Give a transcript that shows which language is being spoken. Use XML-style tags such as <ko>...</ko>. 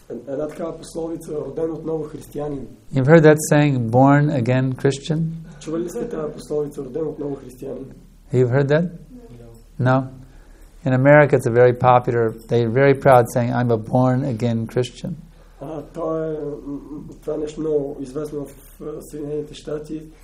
<bg>Една такава пословица, роден отново християнин.</bg> <en>You've heard that saying, born again Christian?</en> <bg>Чували ли сте тази пословица, роден отново християнин?</bg> <en>You've heard that? No. No? In America it's a very popular, they're very proud saying, I'm a born again Christian.</en> <bg>Това е нещо много известно в Съединените щати.</bg>